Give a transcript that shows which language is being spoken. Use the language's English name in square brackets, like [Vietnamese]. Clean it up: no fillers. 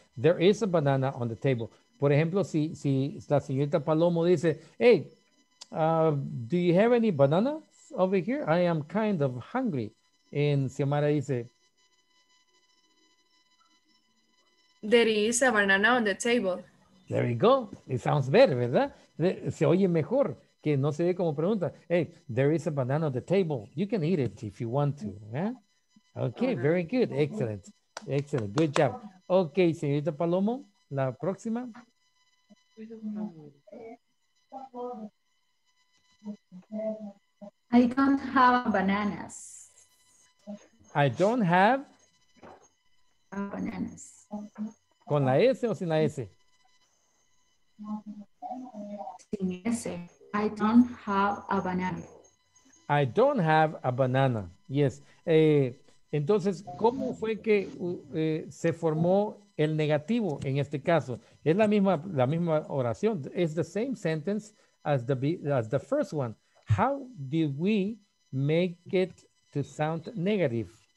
[English] There is a banana on the table. [Spanish] Por ejemplo, si la señorita Palomo dice, [English] hey, do you have any bananas over here? I am kind of hungry. And Xiomara dice, there is a banana on the table. There you go. It sounds better, ¿verdad? [Spanish] Se oye mejor, que no se ve como pregunta. [English] Hey, there is a banana on the table. You can eat it if you want to. ¿Eh? Okay, very good. Excellent. Excellent. Good job. [Spanish] Okay, señorita Palomo, la próxima. [English] I don't have bananas. I don't have bananas. [Spanish] ¿Con la S o sin la S? Sin S. [English] I don't have a banana. I don't have a banana. Yes. [Spanish] Entonces, ¿cómo fue que se formó el negativo en este caso? Es la misma oración. [English] It's the same sentence as the first one. How did we make it to sound negative?